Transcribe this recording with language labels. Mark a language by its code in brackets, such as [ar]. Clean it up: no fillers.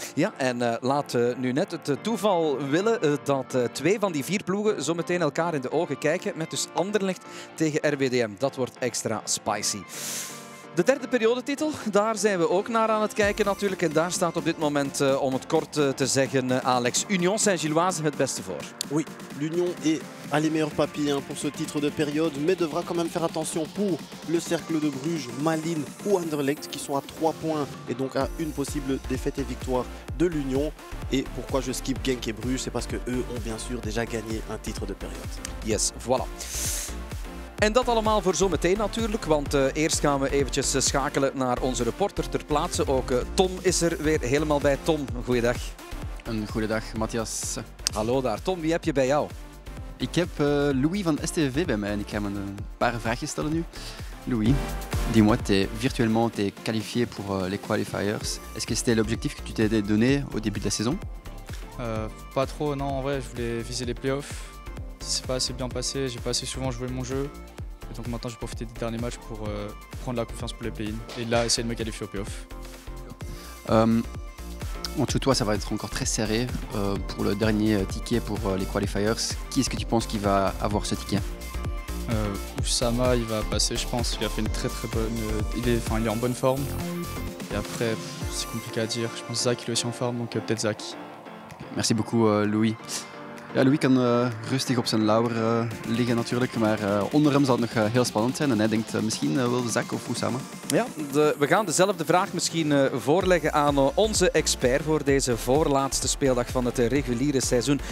[nl] Ja, en laat nu net het toeval willen dat twee van die vier ploegen zo meteen elkaar in de ogen kijken met dus Anderlecht tegen RWDM. Dat wordt extra spicy. De derde periodetitel, daar zijn we ook naar aan het kijken natuurlijk. En daar staat op dit moment, om het kort te zeggen, Alex, Union Saint-Gilloise het beste voor. [fr] Oui, l'Union est à les meilleurs papiers hein, pour ce titre de période, mais devra quand même faire attention pour le Cercle de Bruges, Malines ou Anderlecht, qui sont à 3 points et donc à une possible défaite et victoire de l'Union. Et pourquoi je skip Genk et Bruges, c'est parce qu'eux ont bien sûr déjà gagné un titre de période. [en] Yes, [fr] voilà. [nl] En dat allemaal voor zometeen natuurlijk, want eerst gaan we eventjes schakelen naar onze reporter ter plaatse. Ook Tom is er weer helemaal bij. Tom, goeiedag. Een goede dag, Mathias. Hallo daar. Tom, wie heb je bij jou? Ik heb Louis van STVV bij mij en ik ga hem een paar vraagjes stellen nu. [fr] Louis, dis-moi, t'es virtuellement t'es qualifié pour les qualifiers. Est-ce que c'était l'objectif que tu t'étais donné au début de la saison? Pas trop, non. En vrai, je voulais viser les playoffs. C'est pas assez bien passé, j'ai pas assez souvent joué mon jeu. Et donc maintenant, j'ai profité des derniers matchs pour prendre la confiance pour les play-in. Et là, essayer de me qualifier au play-off. En tout cas, ça va être encore très serré pour le dernier ticket pour les qualifiers. Qui est-ce que tu penses qui va avoir ce ticket? Oussama, il va passer, je pense. Il a fait une très très bonne. Il est en bonne forme. Et après, c'est compliqué à dire. Je pense Zach, il est aussi en forme, donc peut-être Zach. Merci beaucoup, Louis. [nl] Ja, Louis kan rustig op zijn lauwer liggen natuurlijk, maar onder hem zal het nog heel spannend zijn. En hij denkt misschien wel Zak of Oussama. Ja, we gaan dezelfde vraag misschien voorleggen aan onze expert voor deze voorlaatste speeldag van het reguliere seizoen.